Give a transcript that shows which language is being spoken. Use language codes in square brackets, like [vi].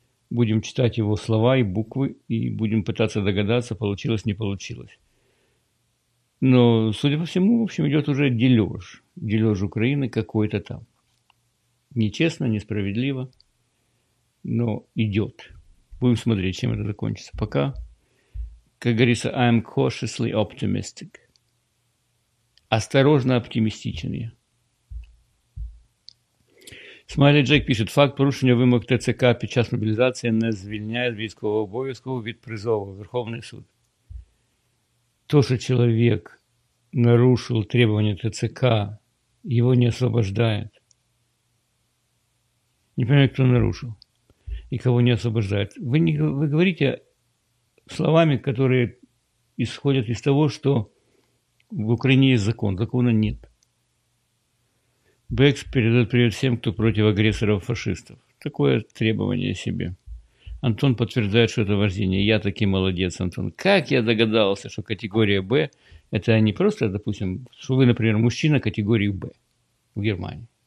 [ru] Будем читать его слова и буквы, и будем пытаться догадаться, получилось, не получилось. Но, судя по всему, в общем, идет уже дележ. Дележ Украины какой-то там. Нечестно, несправедливо, но идет. Будем смотреть, чем это закончится. Пока, как говорится, [en] I am cautiously optimistic. [ru] Осторожно оптимистичен я. [uk] Смайлі Джек пишет, факт порушення вимог ТЦК під час мобілізації не звільняє військового обов'язку від призову. Верховний суд. То, що чоловік нарушив требування ТЦК, його не освобождають. Не пам'ятаю, хто нарушив і кого не освобождають. Ви говорите словами, які ісходять із того, що в Україні є закон. [ru] Закону нет. Бекс передает привет всем, кто против агрессоров фашистов. Такое требование себе. Антон подтверждает, что это вождение. Я таки молодец, Антон. Как я догадался, что категория Б, это не просто, допустим, что вы, например, мужчина категории Б в Германии.